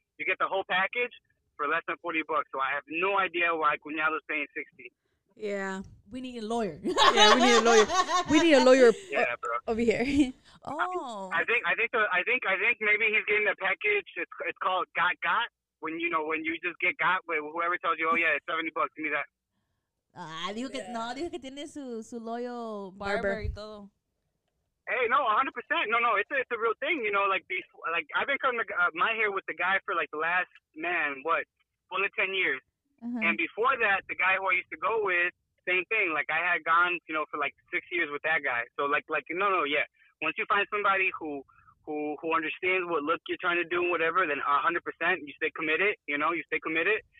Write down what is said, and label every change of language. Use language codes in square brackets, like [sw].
[en] You get the whole package for less than $40. So I have no idea why Cunhado's paying $60. Yeah. we need a lawyer. Yeah, we need a lawyer. We need a lawyer over here. I think maybe he's getting a package. It's called got. When you know, when you just get got, whoever tells you, oh yeah, it's $70. Give me that. [es] Dijo que tiene su [en] loyal barber [es] y todo. [en] Hey, no, 100%. No, it's a real thing. You know, like I've been cutting my hair with the guy for like the last, man, what, full of 10 years. Uh-huh. And before that, the guy who I used to go with, same thing. Like I had gone, you know, for like 6 years with that guy. So yeah. Once you find somebody who understands what look you're trying to do and whatever, then 100%, you stay committed. You know, you stay committed.